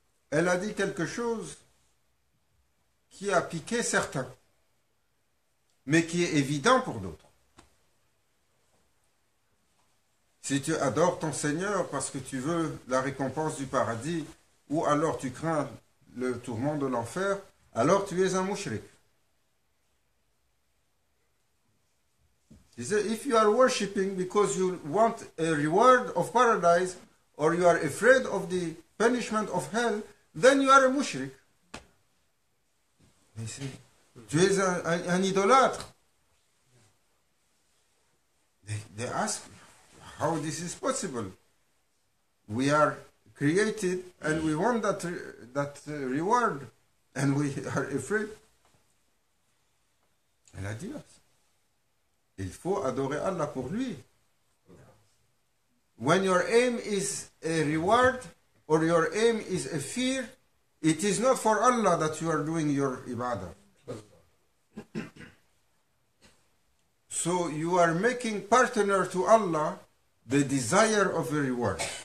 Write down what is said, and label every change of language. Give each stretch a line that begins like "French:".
French: Elle a dit quelque chose qui a piqué certains, mais qui est évident pour d'autres. Si tu adores ton Seigneur parce que tu veux la récompense du paradis, ou alors tu crains le tourment de l'enfer, alors tu es un mouchrik.
English: He said, if you are worshipping because you want a reward of paradise or you are afraid of the punishment of hell, then you are a mushrik. He said,
French: tu es un idolâtre.
English: They ask, how this is possible? We are created and we want that reward and we are afraid.
French: Elle a dit, il faut adorer Allah pour lui.
English: When your aim is a reward or your aim is a fear, it is not for Allah that you are doing your ibadah. So you are making partner to Allah the desire of a reward.